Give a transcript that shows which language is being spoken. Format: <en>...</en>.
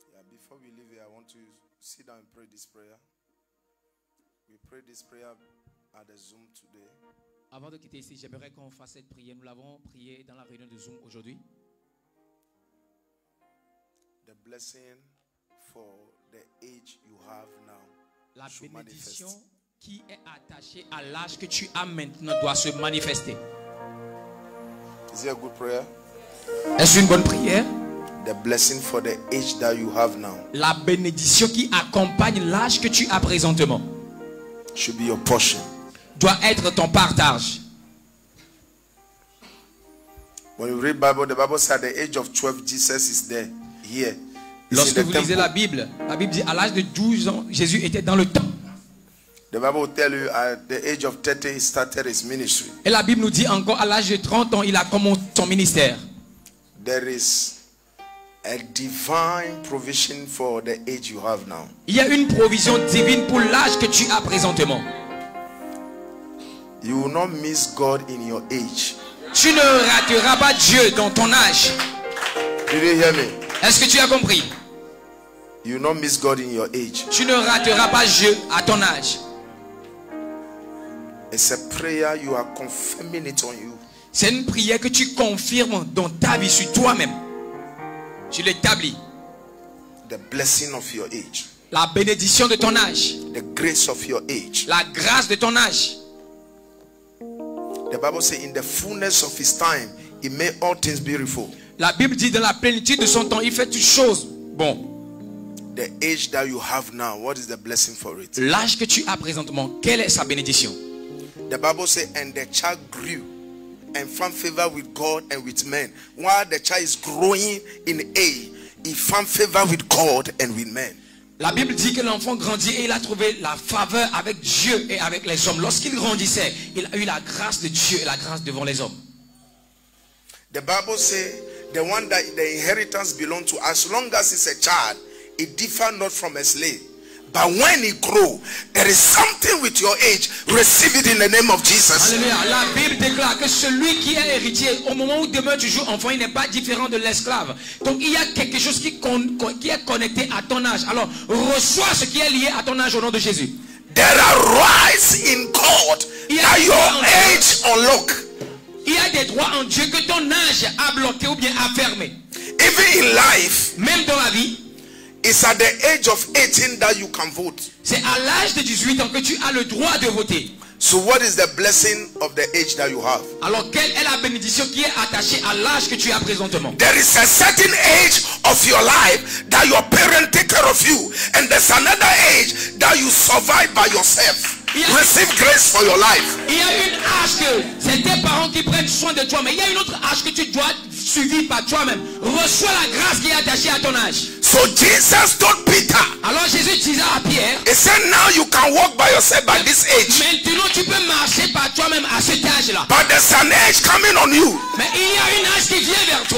<en>Before we leave here, I want to sit down and pray this prayer. We pray this prayer at the Zoom today.</en> <fr>Avant de quitter ici, j'aimerais qu'on fasse cette prière. Nous l'avons prié dans la réunion de Zoom aujourd'hui.</fr> <en>The blessing for the age you have now.</en> <fr>La bénédiction qui est attaché à l'âge que tu as maintenant doit se manifester.</fr> <en>Is it a good prayer?</en> <fr>Est-ce une bonne prière?</fr> <en>The blessing for the age that you have now.</en> <fr>La bénédiction qui accompagne l'âge que tu as présentement.</fr> <en>Should be your portion.</en> <fr>Doit être ton partage.</fr> <en>When you read the Bible says at the age of 12 Jesus is there here.</en> <fr>Lorsque vous lisez la Bible dit à l'âge de 12 ans Jésus était dans le temple.</fr> <en>The Bible tell you at the age of 30 he started his ministry.</en> <fr>Et la Bible nous dit encore à l'âge de 30 ans il a commencé son ministère.</fr> <en>There is a divine provision for the age you have now.</en> <fr>Il y a une provision divine pour l'âge que tu as présentement.</fr> <en>You will not miss God in your age.</en> <fr>Tu ne rateras pas Dieu dans ton âge.</fr> <en>Did you hear me?</en> <fr>Est-ce que tu as compris?</fr> <en>You will not miss God in your age.</en> <fr>Tu ne rateras pas Dieu à ton âge.</fr> <en>It's a prayer you are confirming it on you.</en> <fr>C'est une prière que tu confirmes dans ta vie sur toi-même. Tu l'établis.</fr> <en>The blessing of your age.</en> <fr>La bénédiction de ton âge.</fr> <en>The grace of your age.</en> <fr>La grâce de ton âge.</fr> <en>The Bible says, in the fullness of his time, he made all things beautiful.</en> <fr>La Bible dit dans la plénitude de son temps, il fait toutes choses. Bon.</fr> <en>The age that you have now, what is the blessing for it?</en> <fr>L'âge que tu as présentement, quelle est sa bénédiction?</fr> <en>The Bible says, and the child grew and found favor with God and with men. While the child is growing in age, he found favor with God and with men.</en> <fr>La Bible dit que l'enfant grandit et il a trouvé la faveur avec Dieu et avec les hommes. Lorsqu'il grandissait, il a eu la grâce de Dieu et la grâce devant les hommes.</fr> <en>The Bible says, the one that the inheritance belongs to, as long as he's a child, it differs not from a slave. But when he grows, there is something with your age. Receive it in the name of Jesus.</en> <fr>Alléluia. La Bible déclare que celui qui est héritier, au moment où demeure toujours enfant, il n'est pas différent de l'esclave. Donc il y a quelque chose qui est connecté à ton âge. Alors reçois ce qui est lié à ton âge au nom de Jésus.</fr> <en>There are rights in God that your age unlock.</en> <fr>Il y a des droits en Dieu que ton âge a bloqué ou bien a fermé.</fr> <en>Even in life.</en> <fr>Même dans la vie.</fr> <en>It's at the age of 18 that you can vote.</en> <fr>C'est à l'âge de 18 ans que tu as le droit de voter.</fr> <en>So what is the blessing of the age that you have?</en> <fr>Alors quelle est la bénédiction qui est attachée à l'âge que tu as présentement?</fr> <en>There is a certain age of your life that your parents take care of you, and there's another age that you survive by yourself. Receive grace for your life.</en> <fr>Il y a une âge que c'est tes parents qui prennent soin de toi, mais il y a une autre âge que tu dois suivre par toi-même. Reçois la grâce qui est attachée à ton âge.</fr> <en>So Jesus told Peter.</en> <fr>Alors Jésus dit à Pierre.</fr> <en>He said, now you can walk by yourself by this age.</en> <fr>Maintenant tu peux marcher par toi-même à cet âge-là.</fr> <en>But there's an age coming on you.</en> <fr>Mais il y a une âge qui vient vers toi.</fr>